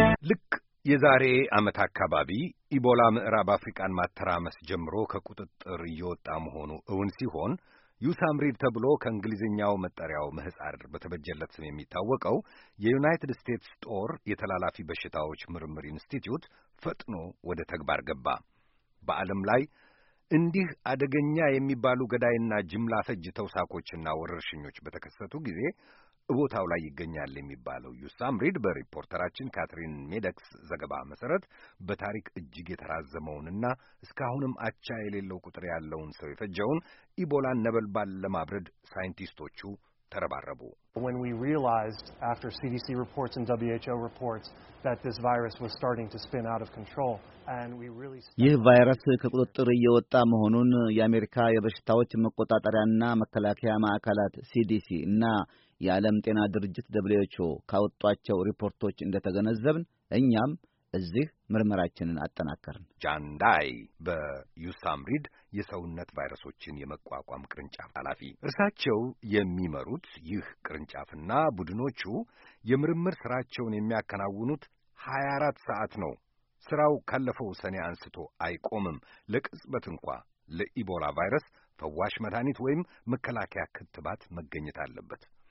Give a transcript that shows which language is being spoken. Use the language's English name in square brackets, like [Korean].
[Amharic] ልክ የዛሬ ዓመት አካባቢ ኢቦላ ምዕራብ አፍሪካን ማተራመስ ጀምሮ ከቁጥጥር እየወጣ መሆኑ እውን ሲሆን ዩሳምሪድ ተብሎ ከእንግሊዝኛው መጠሪያው ምህጻር በተበጀለት ስም የሚታወቀው የዩናይትድ ስቴትስ ጦር የተላላፊ በሽታዎች ምርምር ኢንስቲትዩት ፈጥኖ ወደ ተግባር ገባ። በዓለም ላይ እንዲህ አደገኛ የሚባሉ ገዳይና ጅምላ ፈጅ ተውሳኮችና ወረርሽኞች በተከሰቱ ጊዜ ቦታው ላይ ይገኛል የሚባለው ዩሳምሪድ በሪፖርተራችን ካትሪን ሜደክስ ዘገባ መሰረት በታሪክ እጅግ የተራዘመውንና እስካሁንም አቻ የሌለው ቁጥር ያለውን ሰው የፈጀውን ኢቦላን ነበልባል ለማብረድ ሳይንቲስቶቹ ተረባረቡ። [English] When we realized after CDC reports and WHO reports that this virus was starting to spin out of control and we really [Amharic] ይህ ቫይረስ ከቁጥጥር እየወጣ መሆኑን የአሜሪካ የበሽታዎች መቆጣጠሪያና መከላከያ ማዕከላት CDC እና የዓለም ጤና ድርጅት WHO ካወጧቸው ሪፖርቶች እንደተገነዘብን እኛም እዚህ ምርመራችንን አጠናከርን። ጃንዳይ በዩሳም ሪድ የሰውነት ቫይረሶችን የመቋቋም ቅርንጫፍ ኃላፊ እርሳቸው የሚመሩት ይህ ቅርንጫፍና ቡድኖቹ የምርምር ስራቸውን የሚያከናውኑት 24 ሰዓት ነው። ስራው ካለፈው ሰኔ አንስቶ አይቆምም። ለቅጽበት እንኳ ለኢቦላ ቫይረስ ፈዋሽ መድኃኒት ወይም መከላከያ ክትባት መገኘት አለበት።